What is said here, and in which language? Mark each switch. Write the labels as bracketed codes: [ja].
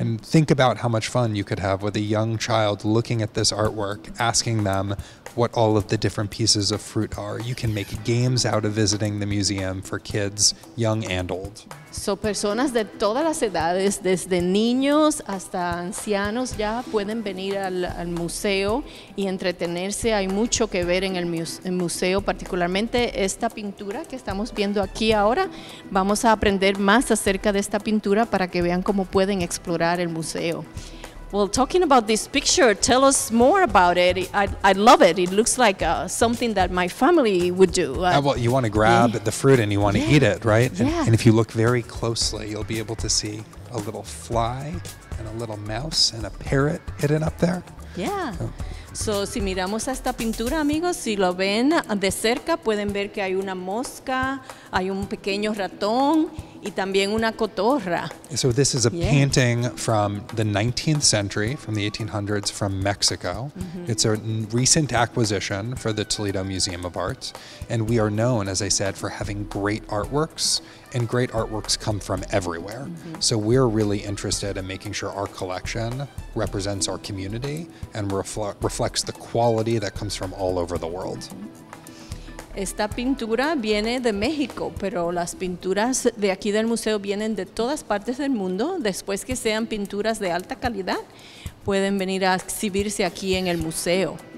[en] And think about how much fun you could have with a young child looking at this artwork, asking them what all of the different pieces of fruit are. You can make games out of visiting the museum for kids, young and old. [es] So, personas de todas las edades, desde niños hasta ancianos, ya pueden venir al museo y entretenerse. Hay mucho que ver en el museo, particularmente esta pintura que estamos viendo aquí ahora. Vamos a aprender más acerca de esta pintura para que vean cómo pueden explorar el museo. [en] Well, talking about this picture, tell us more about it. I love it. It looks like something that my family would do. You want to grab the fruit and you want to eat it, right? Yeah. And if you look very closely, you'll be able to see a little fly and a little mouse and a parrot hidden up there. Yeah. [es] So, si miramos a esta pintura, amigos, si lo ven de cerca, pueden ver que hay una mosca, hay un pequeño ratón, y también una cotorra. [en] So this is a painting from the 19th century, from the 1800s, from Mexico. Mm-hmm. It's a recent acquisition for the Toledo Museum of Art. And we are known, as I said, for having great artworks. And great artworks come from everywhere. Mm-hmm. So we're really interested in making sure our collection represents our community and reflects the quality that comes from all over the world. [es] Esta pintura viene de México, pero las pinturas de aquí del museo vienen de todas partes del mundo. Después que sean pinturas de alta calidad, pueden venir a exhibirse aquí en el museo.